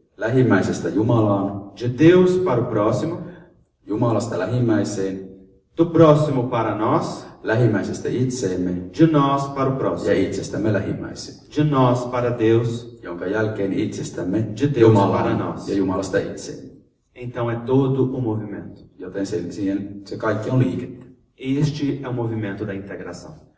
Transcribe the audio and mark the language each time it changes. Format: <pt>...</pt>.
<fi>lähimmäisestä Jumalaan,</fi> <pt>de Deus para o próximo,</pt> <fi>Jumalasta lähimmäiseen,</fi> <pt>Do próximo para nós,</pt> <fi>lähimmäisestä itseemme,</fi> <pt>de nós para o próximo,</pt> <fi>ja itsestämme lähimmäisen,</fi> <pt>de nós para Deus,</pt> <fi>jonka jälkeen itsestämme,</fi> <pt>de Deus</pt> <fi>Jumalaan,</fi> <pt>para nós,</pt> <fi>ja Jumalasta itseemme.</fi> <pt>Então é todo o movimento.</pt> <fi>Joten se kaikki on liikettä.</fi> <pt>Este é o movimento da integração.</pt>